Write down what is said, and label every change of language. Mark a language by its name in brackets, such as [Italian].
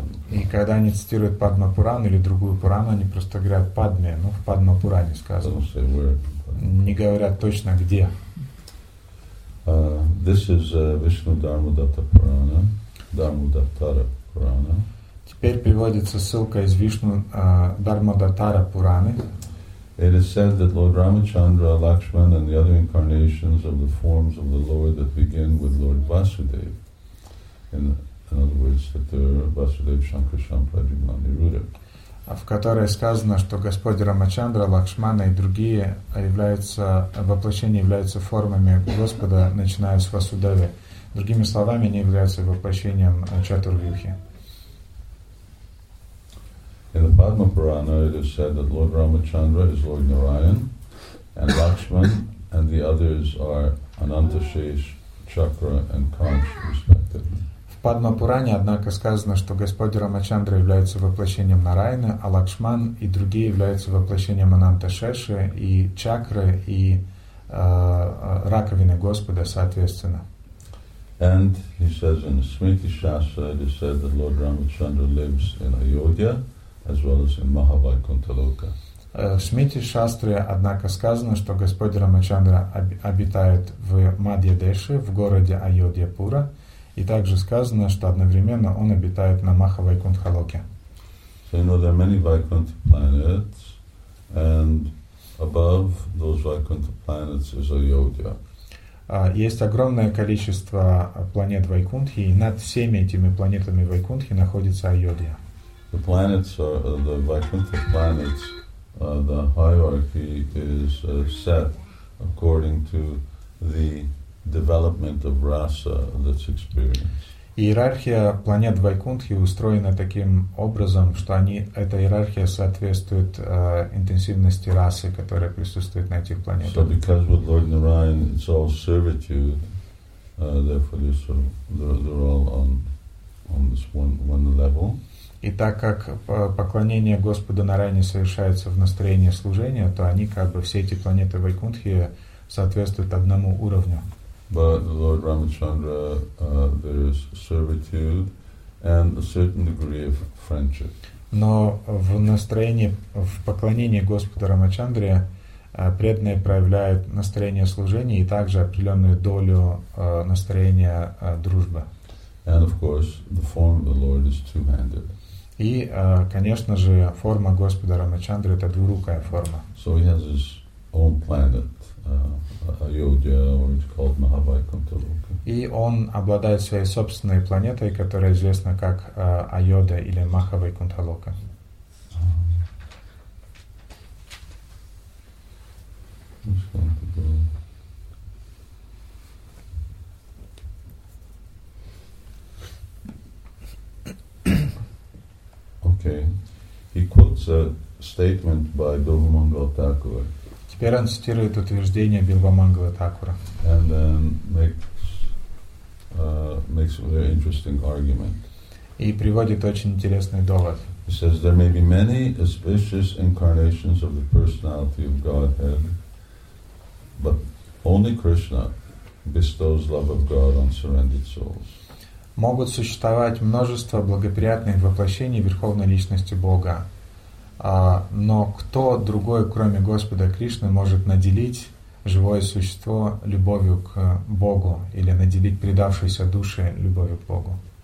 [Russian] И когда они цитируют Падма Пуран или другую Пурану, они просто говорят Падме, но в Падма Пуране сказано. Не говорят точно где. [English] This is Vishnu Dharmadatta Purana, Dharmadattara Purana. [Russian] Теперь приводится ссылка из Вишну Дармадаттара Пураны. [English] It is said that Lord Ramachandra, Lakshman and the other incarnations of the forms of the Lord that begin with Lord Vasudev. In other words, that there are Vasudev, Shankar, Shampra, Jivana, Niruddha. [Russian] В которой сказано, что Господь Рамачандра, Лакшмана и другие являются, воплощения являются формами Господа, начиная с Васудеви. Другими словами, они являются воплощением Чатурвьюхи. [English] In the Padma Purana, it is said that Lord Ramachandra is Lord Narayan, and Lakshman and the others are Anantashesh, Chakra and Kansh, respectively. [Russian] В Падмапуране, однако, сказано, что Господь Рамачандра является воплощением Нарайны, а Лакшман и другие являются воплощением Ананта-Шеши и чакры, и раковины Господа, соответственно. [English] And he says in the Smriti Shastra, it is said that Lord Ramachandra lives in Ayodhya, as well as in Mahavaikuntha Loka. [Russian] В Смрити Шастре, однако, сказано, что Господь Рамачандра обитает в Мадья-Деши, в городе Айодья-Пура, и также сказано, что одновременно он обитает на Маха-Вайкунтха-Локе. [English] So you know there are many Vaikuntha planets, and above those Vaikuntha planets is Ayodhya. [Russian] Есть огромное количество планет Вайкунтхи, и над всеми этими планетами Вайкунтхи находится Айодья. [English] The planets are the Vaikuntha planets. The hierarchy is set according to the development of rasa that's experienced. [Russian] Иерархия планет Вайкунтхи устроена таким образом, что они эта иерархия соответствует интенсивности расы, которая присутствует на этих планетах. [English] So because with Lord Narayan it's all servitude, therefore they're all on this one level. [Russian] И так как поклонение Господу Нарайне совершается в настроении служения, то они как бы все эти планеты Вайкунтхи соответствуют одному уровню. [English] But Lord Ramachandra, there is servitude and a certain degree of friendship. [Russian] Но в настроении, в поклонении Господу Рамачандре преданные проявляют настроение служения и также определенную долю настроения дружбы. [English] And of course, the form of the Lord is two-handed. [Russian] И, конечно же, форма Господа Рамачандры — это двурукая форма. [English] So he has his own planet. Ayodhya, or it's called Mahavaikuntha Loka. [Russian] И он обладает своей собственной планетой, которая известна как Айода или Махавайкунтха Лока. [English] Okay. He quotes statement by Bilvamangala Thakura. [Russian] Теперь он цитирует утверждение Бильвамангала Такура. [English] And then makes a very interesting argument. [Russian] И приводит очень интересный довод. [English] He says there may be many auspicious incarnations of the personality of Godhead, but only Krishna bestows love of God on surrendered souls. [Russian] Могут существовать множество благоприятных воплощений Верховной Личности Бога, но кто другой, кроме Господа Кришны, может наделить живое существо любовью к Богу или наделить предавшуюся душе любовью к Богу?